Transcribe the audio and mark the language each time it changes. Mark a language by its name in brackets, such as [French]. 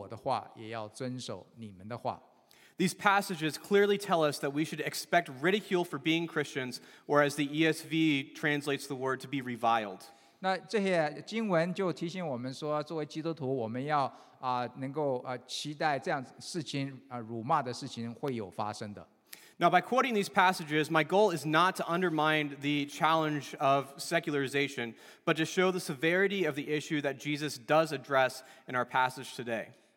[Chinese] 那主耶稣在约翰福音十五章二十节里边也这样说：“你们要纪念我从前对你们所说的话。仆人不能大过主人，他们若逼迫了我，也要逼迫你们；若遵守了我的话，也要遵守你们的话。” [English] These passages clearly tell us that we should expect ridicule for being Christians, or as the ESV translates the word, to be reviled. [Chinese] 那这些经文就提醒我们说，作为基督徒，我们要能够期待这样事情辱骂的事情会有发生的。 [English] Now, by quoting these passages, my goal is not to undermine the challenge of secularization, but to show the severity of the issue that Jesus does address in our passage today.